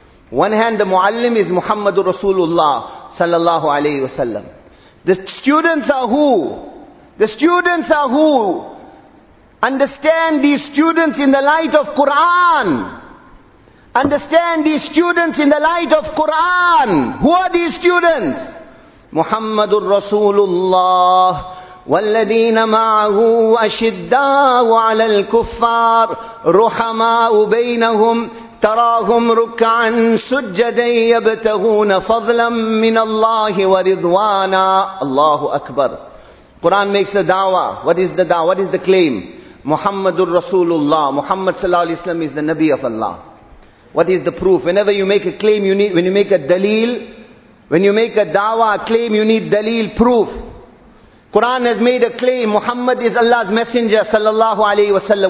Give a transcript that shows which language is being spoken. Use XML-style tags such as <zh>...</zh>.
<en>One hand, the muallim is Muhammadur Rasulullah sallallahu alayhi wasallam. The students are who? The students are who? Understand these students in the light of Quran. Understand these students in the light of Quran. Who are these students? Muhammadur Rasulullah.</en> <ar>والذين معه أشداء على الكفار رحماء بينهم تراهم ركعا سجدا يبتغون فضلا من الله ورضوانا الله أكبر.</ar> <en>Quran makes a da'wah. What is the da'wah? What is the claim? Muhammadur Rasulullah. Muhammad sallallahu alaihi wasallam is the Nabi of Allah. What is the proof? Whenever you make a claim, you need, when you make a dalil, when you make a da'wah, a claim, you need dalil, proof. Quran has made a claim, Muhammad is Allah's messenger, sallallahu alayhi wa sallam.</en>